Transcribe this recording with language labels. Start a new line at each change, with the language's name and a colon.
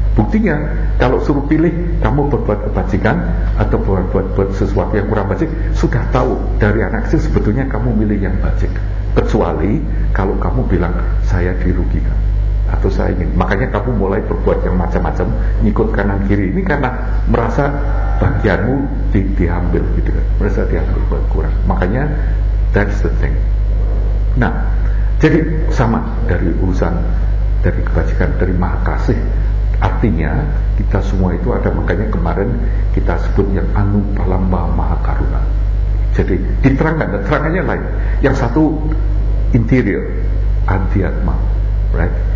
Indonesian: Buktinya kalau suruh pilih kamu berbuat kebajikan atau berbuat sesuatu yang kurang bajik, sudah tahu dari anak kecil sebetulnya kamu milih yang bajik. Kecuali kalau kamu bilang saya dirugikan atau saya ingin, makanya kamu mulai berbuat yang macam-macam, ngikut kanan kiri ini karena merasa bagianmu diambil gitu kan. Merasa diambil buat kurang. Makanya
English: that's the thing.
Indonesian: Nah, jadi sama dari urusan dari kebajikan, dari maha kasih. Artinya kita semua itu ada, makanya kemarin kita sebut yang anupalamba maha karuna. Jadi diterangkan, terangannya lain. Yang satu interior, adhyatma, right?